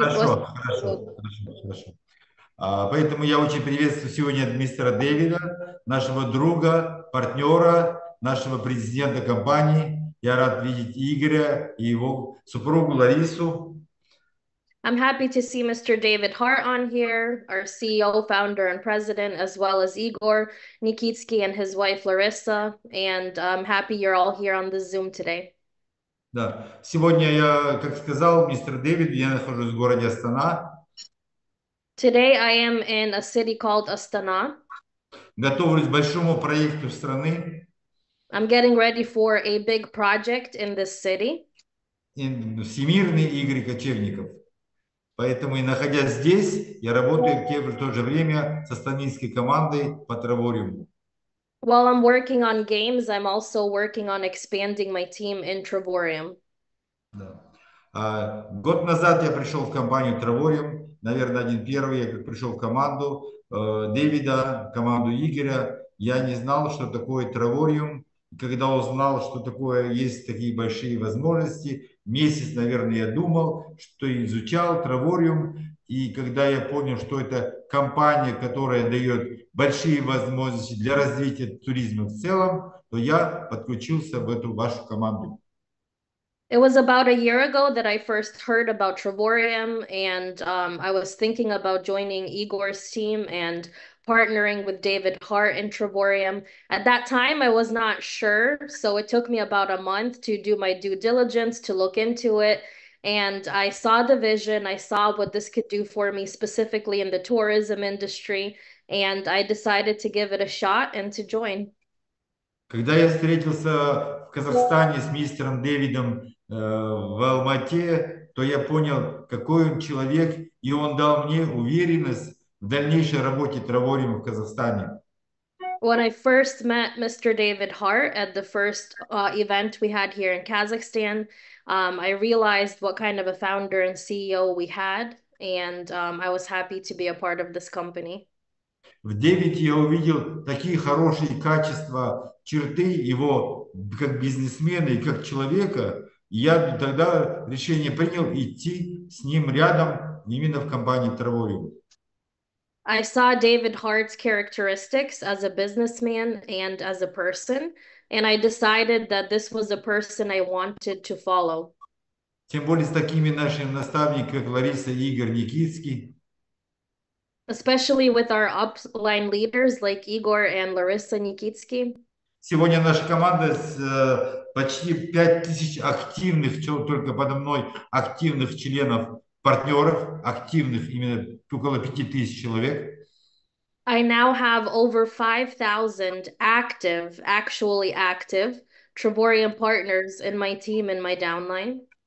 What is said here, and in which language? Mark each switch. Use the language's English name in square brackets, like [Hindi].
[Russian] Хорошо, просто... хорошо, хорошо, хорошо. Поэтому я очень приветствую сегодня мистера Дэвида, нашего друга, партнера, нашего президента компании. Я рад видеть Игоря и его супругу Ларису. [English] I'm happy to see Mr. David Hart on here, our CEO, founder, and president, as well as Igor Nikitsky and his wife Larissa. And I'm happy you're all here on the Zoom today. [Russian] Да. Сегодня я, как сказал мистер Дэвид, я нахожусь в городе Астана. [English] Today I am in a city called Astana. [Russian] Готовлюсь к большому проекту страны. [English] I'm getting ready for a big project in this city. [Russian] Всемирные игры кочевников. Поэтому и находясь здесь, я работаю в то же время с астанинской командой по Траворюму. [English] While I'm working on games, I'm also working on expanding my team in Traborium. [Russian] Да. Год назад я пришел в компанию Траворюм. Наверное, один первый я пришел в команду Дэвида, команду Игоря. Я не знал, что такое Траворюм. Когда узнал, что такое есть такие большие возможности, месяц, наверное, я думал, что изучал Траворюм. И когда я понял, что это компания, которая дает большие возможности для развития туризма в целом, то я подключился в эту вашу команду. [English] It was about a year ago that I first heard about Traborium, and I was thinking about joining Igor's team and partnering with David Hart in Traborium. At that time, I was not sure, so it took me about a month to do my due diligence, to look into it. And I saw the vision, I saw what this could do for me, specifically in the tourism industry, and I decided to give it a shot and to join. [Russian] Когда я встретился в Казахстане с мистером Дэвидом в Алмате, то я понял, какой он человек, и он дал мне уверенность в дальнейшей работе Траворюма в Казахстане. [English] When I first met Mr. David Hart at the first event we had here in Kazakhstan, I realized what kind of a founder and CEO we had, and I was happy to be a part of this company. [Russian] В Дэвиде я увидел такие хорошие качества, черты его как бизнесмена и как человека. И я тогда решение принял идти с ним рядом именно в компании Траворюм. [English] I saw David Hart's characteristics as a businessman and as a person, and I decided that this was a person I wanted to follow. [Russian] Тем более с такими нашими наставниками, как Лариса, Игорь, Никитский. [English] Especially with our upline leaders like Igor and Larissa Nikitsky. [Russian] Сегодня наша команда с почти 5000 активных, только подо мной, активных членов. Партнеров активных именно около 5000 человек. [English] I now have over 5,000 active, actually active, Traborium partners in my team and my downline.